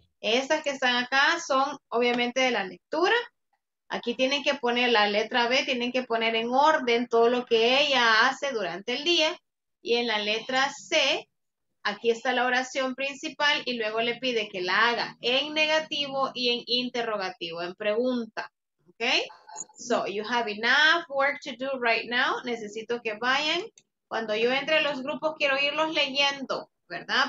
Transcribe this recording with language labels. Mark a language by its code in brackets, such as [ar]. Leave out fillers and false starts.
[es] Estas que están acá son, obviamente, de la lectura. Aquí tienen que poner la letra B, tienen que poner en orden todo lo que ella hace durante el día. Y en la letra C, aquí está la oración principal y luego le pide que la haga en negativo y en interrogativo, en pregunta. ¿Ok? [en] So, you have enough work to do right now. [es] Necesito que vayan. Cuando yo entre a los grupos, quiero irlos leyendo, ¿verdad?